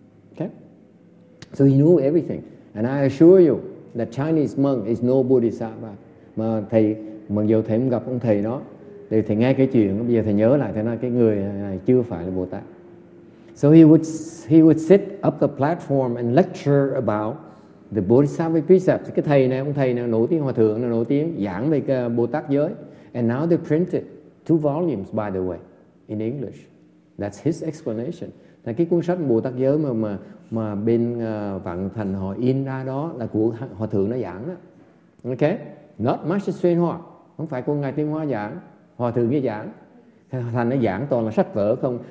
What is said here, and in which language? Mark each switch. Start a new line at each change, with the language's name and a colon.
English: Okay, so he knew everything, and I assure you that Chinese monk is no Bodhisattva.
Vietnamese: Mà thầy, mặc dù thầy không gặp ông thầy đó, thì thầy nghe cái chuyện, bây giờ thầy nhớ lại, thầy nói cái người này chưa phải là Bồ Tát.
English: So he would sit up the platform and lecture about the Bodhisattva precepts.
Vietnamese: Cái thầy này nổi tiếng, hòa thượng này nổi tiếng giảng về cái Bồ Tát giới.
English: And now they printed 2 volumes, by the way, in English. That's his explanation.
Vietnamese: Là cái cuốn sách Bồ Tát giới mà bên Vạn Thành họ in ra đó là của hòa thượng nó giảng đó.
English: Ok, not Master Shen Hua,
Vietnamese: không phải của ngài Tiên Hoa giảng, hòa thượng nó giảng. Thành nó giảng toàn là sách vở không.